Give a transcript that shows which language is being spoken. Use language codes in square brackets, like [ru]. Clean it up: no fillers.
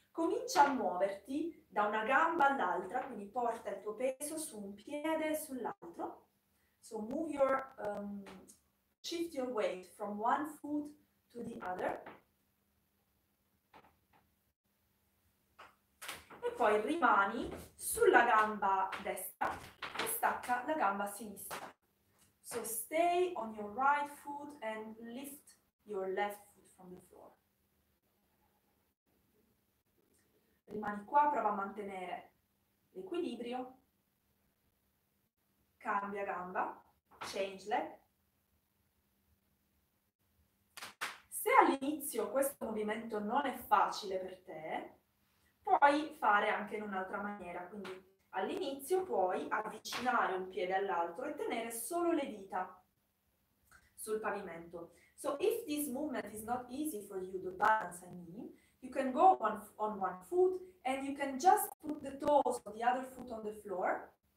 [it] Comincia a muoverti da una gamba all'altra, quindi porta il tuo peso su un piede e sull'altro. [en] So move your, shift your weight from one foot to the other. [it] E poi rimani sulla gamba destra e stacca la gamba sinistra. [en] So stay on your right foot and lift your left foot from the floor. [it] Rimani qua, prova a mantenere l'equilibrio, cambia gamba, [en] change leg. [it] Se all'inizio questo movimento non è facile per te, puoi fare anche in un'altra maniera. Quindi all'inizio puoi avvicinare un piede all'altro e tenere solo le dita sul pavimento. [en] So if this movement is not easy for you, the balance I mean, you can go on one foot and you can just put the toes of the other foot on the floor.